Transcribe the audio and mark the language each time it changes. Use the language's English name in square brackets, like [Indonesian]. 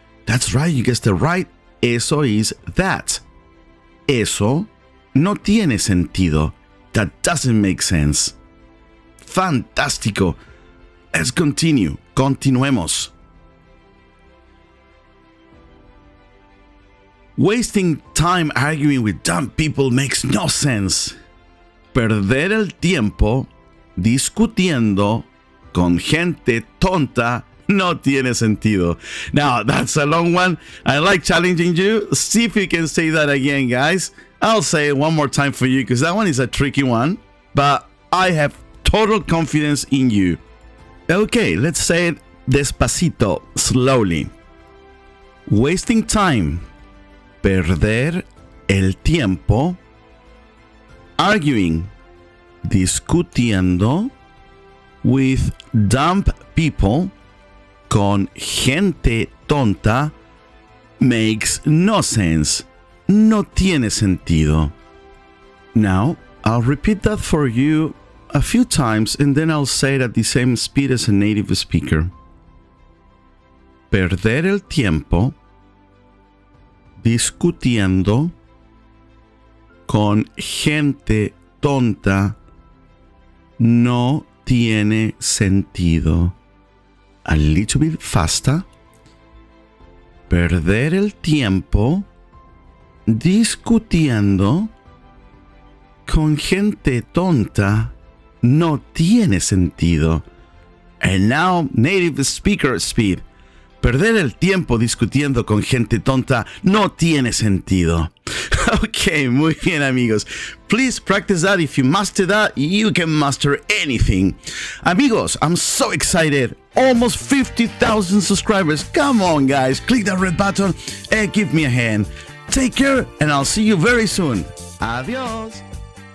[English] That's right, you guessed it right. Eso is that. [Spanish] Eso no tiene sentido. [English] That doesn't make sense. Fantástico. Let's continue. Continuemos. Wasting time arguing with dumb people makes no sense. [Spanish] Perder el tiempo discutiendo con gente tonta no tiene sentido. [English] Now, that's a long one. I like challenging you. See if you can say that again, guys. I'll say it one more time for you because that one is a tricky one. But I have total confidence in you. Okay, let's say it despacito, slowly. Wasting time. [Spanish] Perder el tiempo. [English] Arguing. Discutiendo. With dumb people. [Spanish] Con gente tonta [English] makes no sense. [Spanish] No tiene sentido. [English] Now, I'll repeat that for you a few times and then I'll say it at the same speed as a native speaker. [Spanish] Perder el tiempo discutiendo con gente tonta no tiene sentido. [English] A little bit faster. [Spanish] Perder el tiempo discutiendo con gente tonta no tiene sentido. [English] And now, native speaker speed. [Spanish] Perder el tiempo discutiendo con gente tonta no tiene sentido. [English] Okay, [Spanish] muy bien, amigos. [English] Please practice that. If you master that, you can master anything. Amigos, I'm so excited. Almost 50,000 subscribers. Come on, guys. Click that red button and give me a hand. Take care, and I'll see you very soon. Adios.